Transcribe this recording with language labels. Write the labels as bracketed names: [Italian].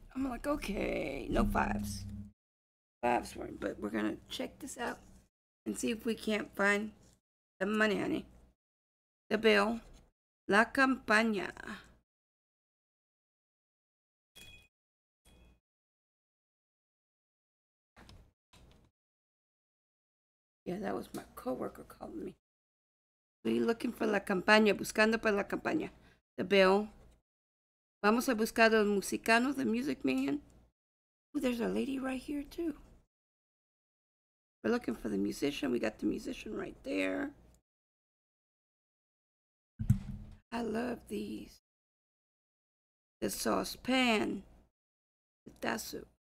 [English] I'm like, okay, no fives. Fives weren't, but we're going to check this out and see if we can't find the money, honey. The bill. [Spanish] La campaña. [English] Yeah, that was my coworker calling me. We're looking for [Spanish] la campaña, buscando por la campaña. [English] The bill. [Spanish] Vamos a buscar el musicano, [English] the music man. Ooh, there's a lady right here, too. We're looking for the musician. We got the musician right there. I love these. The saucepan. The tazo.